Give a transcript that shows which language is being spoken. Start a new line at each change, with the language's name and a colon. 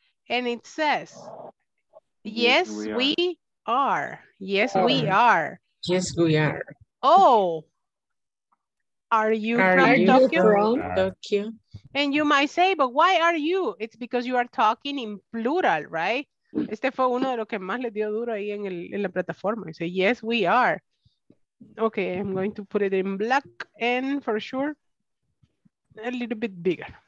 English: And it says, yes, we are. Yes, we are. Yes, we are. Oh, are you from Tokyo? And you might say, but why are you? It's because you are talking in plural, right?
Spanish: Este fue uno de los que más le dio duro ahí en, el, en la plataforma.
English: He said, yes, we are. Okay, I'm going to put it in black and for sure, a little bit bigger.